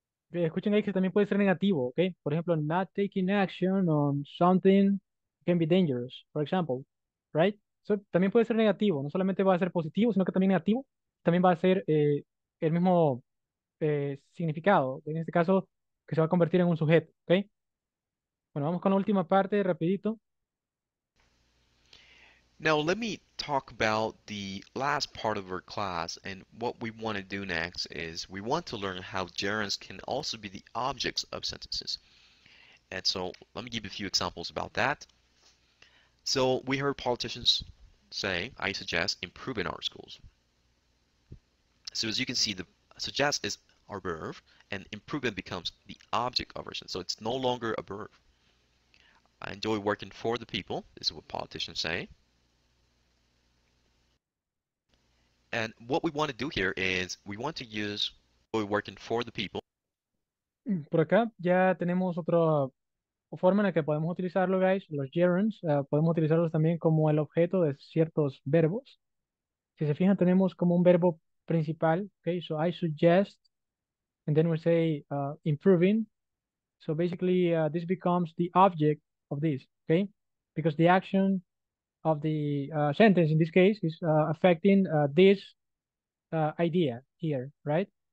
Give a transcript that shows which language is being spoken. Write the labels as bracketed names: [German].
[English] Okay, [Spanish] escuchen ahí que también puede ser negativo, [English] okay? [Spanish] Por ejemplo, [English] not taking action on something can be dangerous, for example, right? [Spanish] So, también puede ser negativo, no solamente va a ser positivo, sino que también negativo, también va a ser el mismo significado, en este caso, que se va a convertir en un sujeto, okay? Bueno, vamos con la última parte, rapidito. [English] Now, let me talk about the last part of our class, and what we want to do next is we want to learn how gerunds can also be the objects of sentences. And so, let me give you a few examples about that. So, we heard politicians say, I suggest improving our schools. So, as you can see, the suggest is our verb, and improvement becomes the object of our sentence. So, it's no longer a verb. I enjoy working for the people, this is what politicians say. And what we want to do here is we want to use working for the people. [Spanish] Por acá ya tenemos otra forma en la que podemos utilizarlo, guys. Los gerunds, podemos utilizarlos también como el objeto de ciertos verbos. Si se fijan, tenemos como un verbo principal. [English] Okay, so I suggest, and then we say improving. So basically, this becomes the object of this. Okay, because the action of the sentence in this case is affecting this idea here, right?